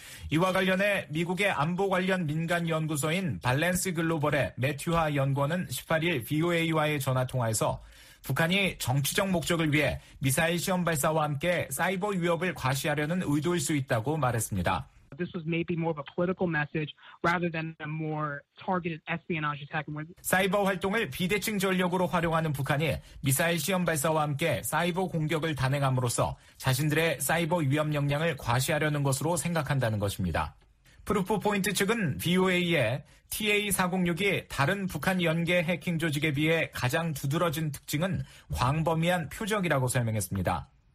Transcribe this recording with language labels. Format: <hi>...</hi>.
<ko>이와 관련해 미국의 안보 관련 민간 연구소인 발렌스 글로벌의 매튜하 연구원은 18일 VOA와의 전화통화에서 북한이 정치적 목적을 위해 미사일 시험 발사와 함께 사이버 위협을 과시하려는 의도일 수 있다고 말했습니다.</ko> <en>This was maybe more of a political message rather than a more targeted espionage attack.</en> <ko>사이버 활동을 비대칭 전력으로 활용하는 북한이 미사일 시험 발사와 함께 사이버 공격을 단행함으로써 자신들의 사이버 위협 역량을 과시하려는 것으로 생각한다는 것입니다. 프루프 포인트 측은 BOA에 TA-406이 다른 북한 연계 해킹 조직에 비해 가장 두드러진 특징은 광범위한 표적이라고 설명했습니다.</ko>